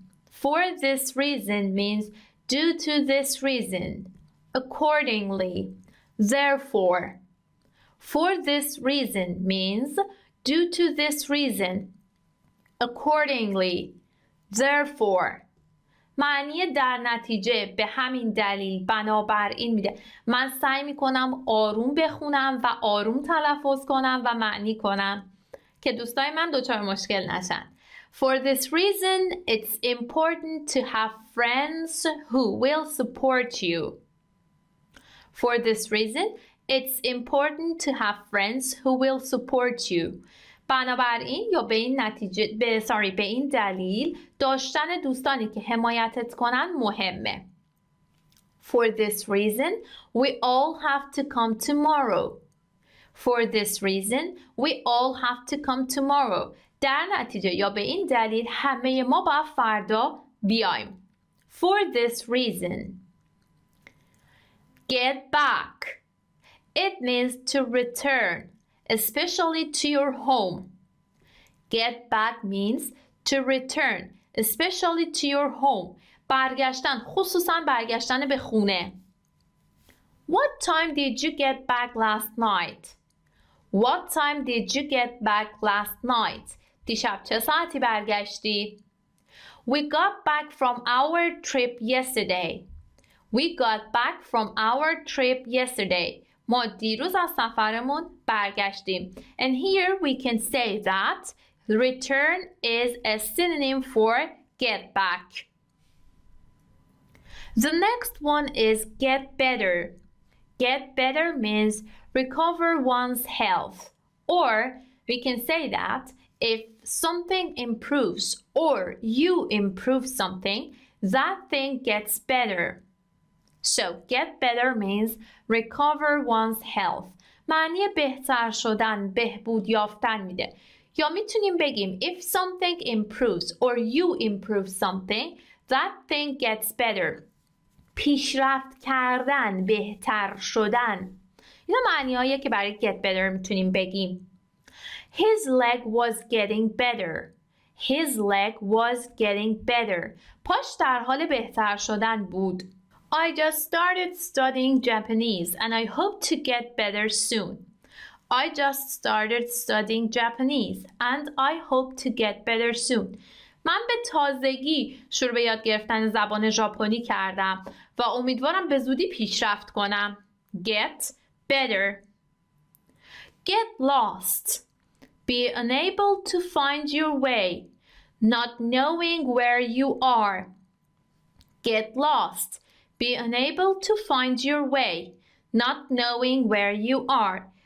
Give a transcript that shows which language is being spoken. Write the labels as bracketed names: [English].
[English] For this reason means due to this reason. Accordingly, therefore. For this reason means due to this reason. Accordingly, therefore. [Persian] معنی در نتیجه، به همین دلیل، بنابراین میده. من سعی میکنم آروم بخونم و آروم تلفظ کنم و معنی کنم که دوستای من دوچار مشکل نشن. [English] For this reason, it's important to have friends who will support you. For this reason, it's important to have friends who will support you. [Persian] بنابراین یا به این نتیجه به این دلیل داشتن دوستانی که حمایتت کنن مهمه. [English] For this reason, we all have to come tomorrow. For this reason, we all have to come tomorrow. [Persian] در نتیجه یا به این دلیل همه ما باید فردا بیایم. [English] For this reason. Get back. It means to return, especially to your home. Get back means to return, especially to your home. [Persian] برگشتن، خصوصا برگشتن به خونه. [English] What time did you get back last night? What time did you get back last night? [Persian] دیشب چه ساعتی برگشتی؟ [English] We got back from our trip yesterday. We got back from our trip yesterday. [Persian] ما دیروز از سفرمون برگشتیم. [English] And here we can say that return is a synonym for get back. The next one is get better. Get better means recover one's health. Or we can say that if something improves or you improve something, that thing gets better. So, get better means recover one's health. [Persian] معنی بهتر شدن، بهبود یافتن میده. یا میتونیم بگیم [English] if something improves or you improve something, that thing gets better. [Persian] پیشرفت کردن، بهتر شدن. اینا معنیایی که برای get better میتونیم بگیم. [English] His leg was getting better. His leg was getting better. [Persian] پاش در حال بهتر شدن بود. [English] I just started studying Japanese and I hope to get better soon. I just started studying Japanese and I hope to get better soon. [Persian] من به تازگی شروع به یاد گرفتن زبان ژاپنی کردم و امیدوارم به زودی پیشرفت کنم. [English] Get better. Get lost. Be unable to find your way, not knowing where you are. Get lost. Be unable to find your way, not knowing where you are.